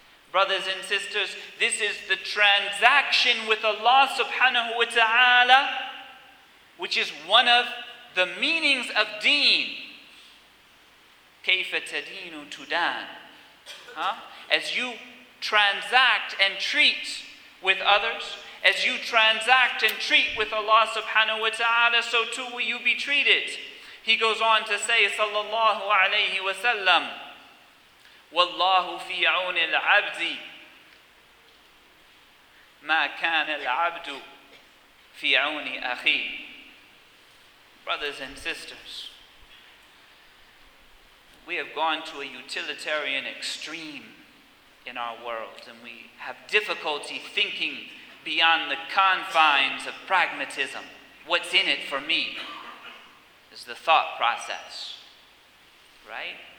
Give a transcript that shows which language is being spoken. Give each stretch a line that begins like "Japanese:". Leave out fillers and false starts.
English: Brothers and sisters, this is the transaction with Allah subhanahu wa ta'ala, which is one of the meanings of deen.
Arabic: Kayfa tadinu tudan.
English: As you transact and treat with others, as you transact and treat with Allah subhanahu wa ta'ala, so too will you be treated. He goes on to say, sallallahu alayhi wa sallam,
Arabic: وَاللَّهُ فِي عَوْنِ الْعَبْدِ مَا كَانَ الْعَبْدُ فِي عَوْنِ أَخِيهِ.
English: Brothers and sisters, we have gone to a utilitarian extreme in our world, and we have difficulty thinking beyond the confines of pragmatism. What's in it for me is the thought process, right?